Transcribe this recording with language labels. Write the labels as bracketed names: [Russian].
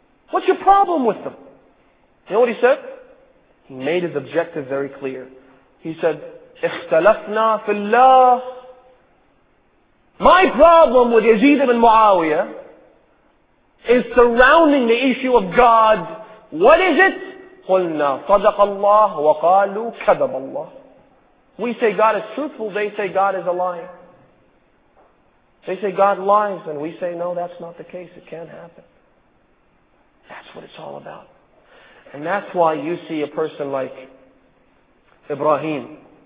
[English] What's your problem with them?" You know what he said? He made his objective very clear. He said, [Arabic] "Ikhtalafna fillah." [English] My problem with Yazid ibn Muawiyah is surrounding the issue of God. What is it? [Arabic] قلنا صدق الله وقالوا كذب الله. [English] We say God is truthful, they say God is a liar. They say God lies, and we say, no, that's not the case. It can't happen. That's what it's all about. And that's why you see a person like Ibrahim.